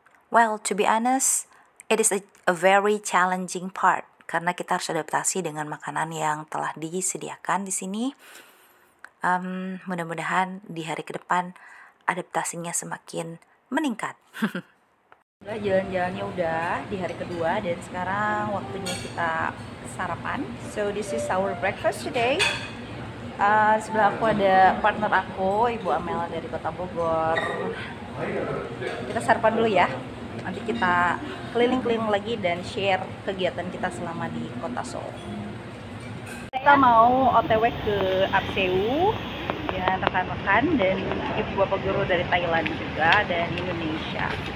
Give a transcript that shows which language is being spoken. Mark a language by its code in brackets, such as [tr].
[en] Well, to be honest, it is a very challenging part [id] karena kita harus adaptasi dengan makanan yang telah disediakan di sini. Mudah-mudahan di hari ke depan adaptasinya semakin meningkat. Udah jalan-jalannya udah di hari kedua dan sekarang waktunya kita sarapan. [en] So this is our breakfast today. [id] Sebelah aku ada partner aku, Ibu Amel dari Kota Bogor. Kita sarapan dulu ya. Nanti kita keliling-keliling lagi dan share kegiatan kita selama di kota Seoul. Kita mau OTW ke APSEU dengan rekan-rekan dan ibu bapak guru dari Thailand juga dan Indonesia.